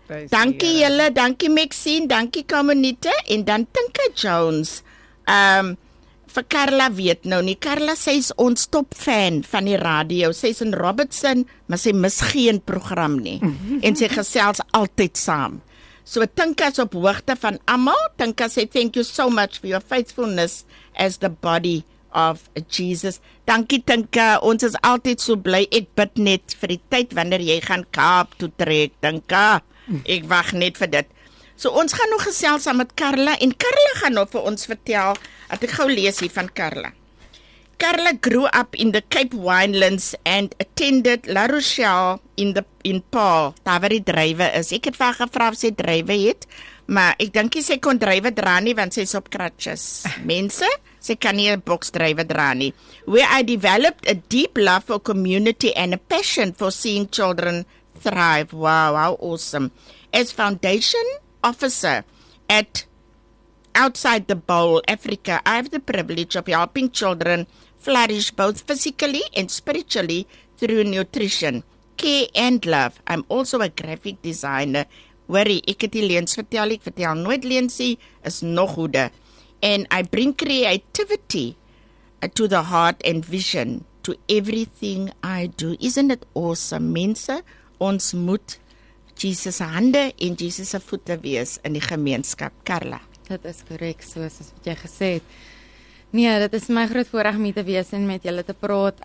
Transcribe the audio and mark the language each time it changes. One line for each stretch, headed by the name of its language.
Afrikaans: Dankie julle, dankie Maxine, dankie Kamonita. En dan Tinka Jones, vir Carla weet nou nie. Carla, sy is ons top fan van die radio. Sy is in Robertson, maar sy mis geen program nie. En sy gesels altyd saam. So Tinka is op hoogte van amal.
English: Tinka sê, thank you so much for your faithfulness as the body of Jesus.
Afrikaans: Dankie Tinka, ons is altyd so bly. Ek bid net vir die tyd wanneer jy gaan Kaap toe trek, Tinka. Ek wacht net vir dit. So ons gaan nog gesels aan met Carla en Carla gaan nog vir ons vertel, dat ek gauw lees hier van Carla.
English: Carla grew up in the Cape Winelands and attended La Rochelle in Paul,
Afrikaans: daar waar die drywe is. Ek het vir gevra of sy drywe het, maar ek dink nie sy kon drywe dra nie, want sy is op kratjes. Mense, sy kan nie een boks drywe dra nie.
English: Where I developed a deep love for community and a passion for seeing children thrive. Wow, how awesome. As foundation officer at Outside the Bowl, Africa, I have the privilege of helping children flourish both physically and spiritually through nutrition, care and love. I'm also a graphic designer.
Afrikaans: Worry, ek het die leens vertel, ek vertel nooit leensie, is nog hoede.
English: And I bring creativity to the heart and vision to everything I do. Isn't it awesome,
Afrikaans: mense? Ons moet Jesus' hande en Jesus' voete wees in die gemeenskap. Carla. Dit is korrek, soos wat jy gesê het. Nee, dit is my groot voorreg om hier te wees en met julle te praat.